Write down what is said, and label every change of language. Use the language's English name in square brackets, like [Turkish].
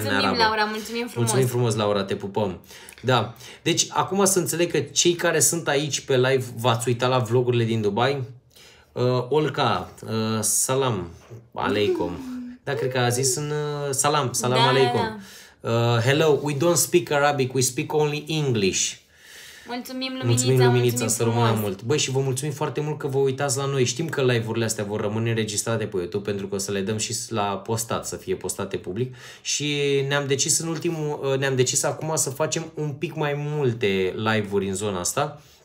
[Romanian] Mulțumim, Laura, mulțumim frumos. Mulțumim frumos, Laura, te pupăm. Da, deci acum să înțeleg că cei care sunt aici pe live v-ați uitat la vlogurile din Dubai. Olca, salam, aleikum. Da, cred că a zis în salam, salam, da, aleikum. Da, da. [English] Hello, we don't speak Arabic, we speak only English. [Romanian] Mulțumim, Luminița, să rămână mult. Băi, și vă mulțumim foarte mult că vă uitați la noi. Știm că live-urile astea vor rămâne înregistrate pe YouTube, pentru că o să le dăm și la postat, să fie postate public. Și ne-am decis în ultimul, ne-am decis acum să facem un pic mai multe live-uri în zona asta.